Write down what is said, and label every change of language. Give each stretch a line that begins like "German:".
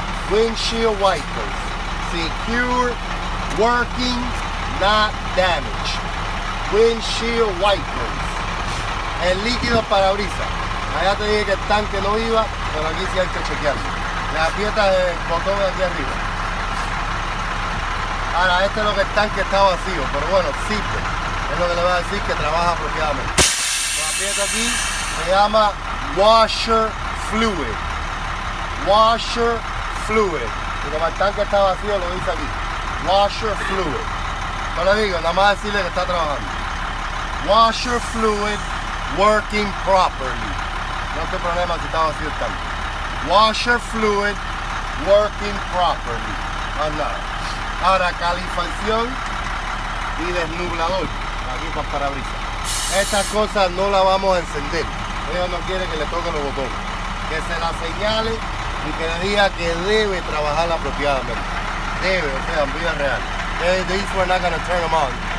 English: Windshield wipers, secure, working, not damaged. Windshield wipers.
Spanish: el líquido parabrisas. Allá te dije que el tanque no iba, pero aquí sí hay que chequearlo. Las piezas del botón de aquí arriba. Ahora, este es lo que el tanque está vacío, pero bueno, existe. Es lo que le voy a decir que trabaja apropiadamente. La pieza aquí se llama washer fluid. Washer fluid. Y como el tanque está vacío, lo dice aquí. Washer fluid. No le digo, nada más decirle que está trabajando.
English: Washer fluid working properly.
Spanish: No hay problema si está vacío el tanque.
English: Washer fluid working properly.
Spanish: Ahora, calefacción y desnublador. Aquí para parabrisas. Estas cosas no las vamos a encender. Ella no quiere que le toque los botones. Que se la señale y que le diga que debe trabajar apropiadamente. Debe, o sea, en vida real.
English: Okay, these we're not gonna turn them on.